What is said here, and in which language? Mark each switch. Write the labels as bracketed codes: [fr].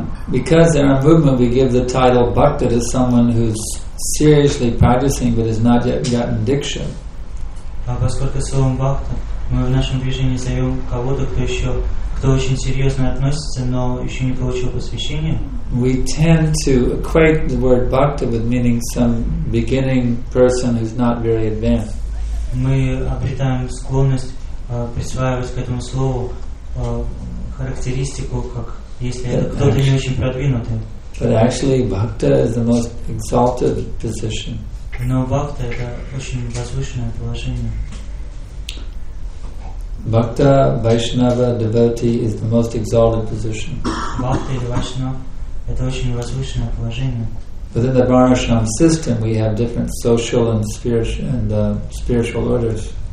[en] Because in our movement we give the title Bhakta to someone who's seriously practicing but has not yet gotten Diksha. [ru] Поскольку словом Бхакта мы в нашем движении зовем кого-то, кто очень серьезно относится, но еще не получил посвящение. [en] We tend to equate the word Bhakta with meaning some beginning person who's not very advanced. [ru] Мы обретаем склонность присваивать к этому слову характеристику, как если это кто-то не очень продвинутый. [en] But actually, Bhakta is the most exalted position. [ru] Но бхакта — это очень возвышенное положение. [en] Bhakta, Vaishnava, devotee is the most exalted position. [ru] Bhakta или Vaishnava — это очень возвышенное положение. [en] Within the Varnashram system, we have different social and spiritual orders.